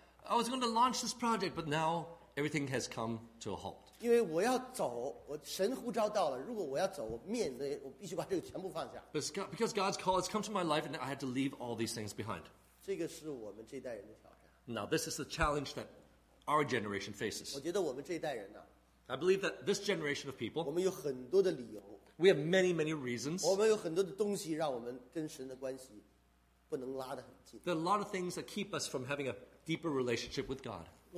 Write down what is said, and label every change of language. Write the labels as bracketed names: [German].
[English] I was going to launch this project, but now everything has come to a halt. [Chinese] 因为我要走，我神呼召到了。如果我要走，我必须把这个全部放下。Because [English] God's call has come to my life, and I had to leave all these things behind. [Chinese] 这个是我们这代人的挑战。Now [English] this is the challenge that our generation faces. [Chinese] 我觉得我们这代人呢。I [English] believe that this generation of people. [Chinese] 我们有很多的理由。We [English] have many, many reasons. [Chinese] 我们有很多的东西让我们跟神的关系。 [English] There are a lot of things that keep us from having a deeper relationship with God.